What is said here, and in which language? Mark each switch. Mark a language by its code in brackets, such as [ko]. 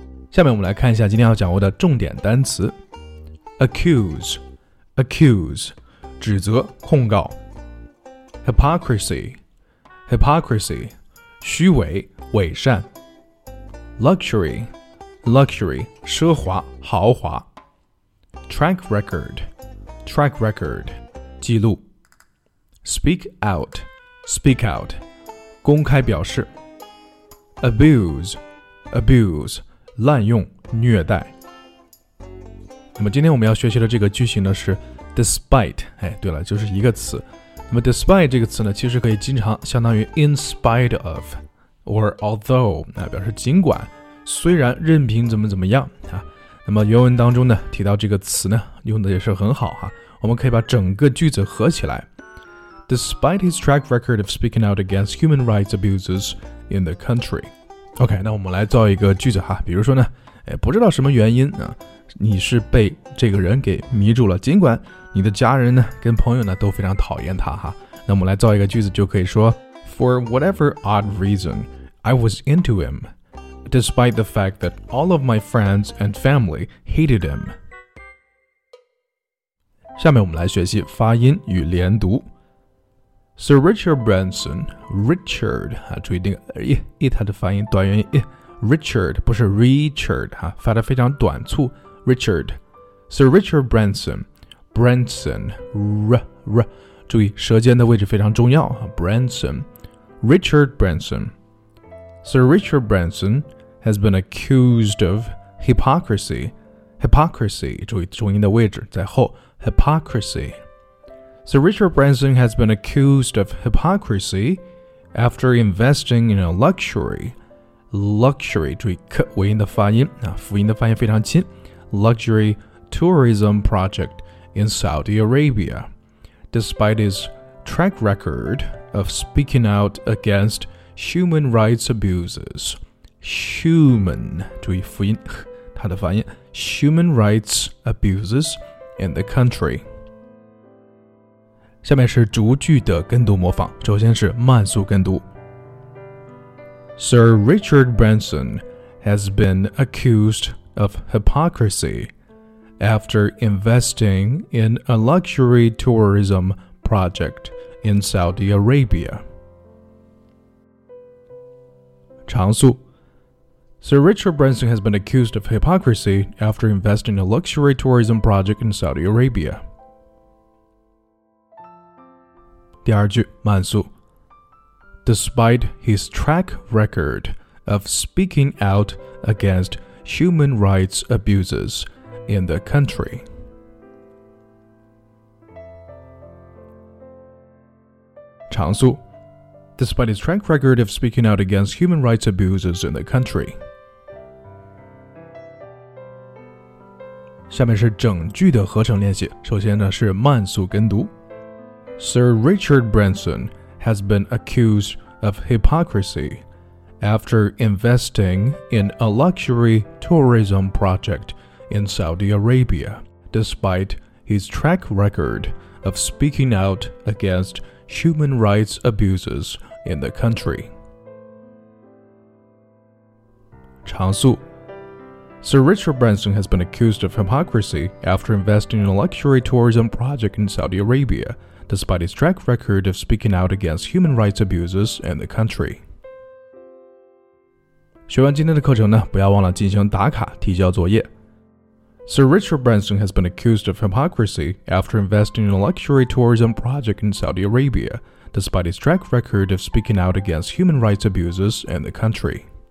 [zh] 下面我们来看一下今天要掌握的重点单词 ：accuse， accuse， 指责、控告 ；hypocrisy， hypocrisy， 虚伪、伪善 ；luxury， luxury， 奢华、豪华 ；track record。 [en] Track record, [zh] 记录 [en] Speak out, speak out, [zh] 公开表示 [en] Abuse, abuse, [zh] 滥用、虐待。那么今天我们要学习的这个句型呢是 despite, 哎，对了，就是一个词。那么 despite 这个词呢，其实可以经常相当于 [en] in spite of, or although, [zh] 那表示尽管、虽然、任凭怎么怎么样啊。那么原文当中呢，提到这个词呢，用的也是很好哈。我们可以把整个句子合起来 [en] Despite his track record of speaking out against human rights abuses in the country OK, [zh] 那我们来造一个句子哈比如说呢、哎、不知道什么原因、啊、你是被这个人给迷住了尽管你的家人呢跟朋友呢都非常讨厌他哈那我们来造一个句子就可以说 [en] For whatever odd reason, I was into him Despite the fact that all of my friends and family hated him [zh] 下面我们来学习发音与连读。 Sir Richard Branson, Richard, 啊，注意那个 e 它的发音短元 e Richard 不是 Richard 哈、啊，发的非常短促。 Richard, Sir Richard Branson, Branson, r r， 注意舌尖的位置非常重要。 [en] Branson, Richard Branson, Sir Richard Branson has been accused of hypocrisy. Hypocrisy, [zh] 注意重音的位置在后。 [en] Hypocrisy. Sir Richard Branson has been accused of hypocrisy after investing in a luxury, [zh] 注意克尾音的发音啊，辅音的发音非常轻 [en] luxury tourism project in Saudi Arabia, despite his track record of speaking out against human rights abuses. Human, [zh] 注意辅音，它的发音 [en] human rights abuses. In the country. [zh] 下面是逐句的跟读模仿，首先是慢速跟读。 [en] Sir Richard Branson has been accused of hypocrisy after investing in a luxury tourism project in Saudi Arabia. [zh] 长速。 [en] Sir Richard Branson has been accused of hypocrisy after investing in a luxury tourism project in Saudi Arabia. [zh] 第二句，慢速。 [en] Despite his track record of speaking out against human rights abuses in the country. [zh] Changsu, [en] despite his track record of speaking out against human rights abuses in the country. [zh] 下面是整句的合成练习，首先呢是慢速跟读。 [en] Sir Richard Branson has been accused of hypocrisy after investing in a luxury tourism project in Saudi Arabia, despite his track record of speaking out against human rights abuses in the country. [zh] 长素。 [en] Sir Richard Branson has been accused of hypocrisy after investing in a luxury tourism project in Saudi Arabia, despite his track record of speaking out against human rights abuses in the country. [zh] 学完今天的课程呢，不要忘了进行打卡提交作业。 [en] Sir Richard Branson has been accused of hypocrisy after investing in a luxury tourism project in Saudi Arabia, despite his track record of speaking out against human rights abuses in the country.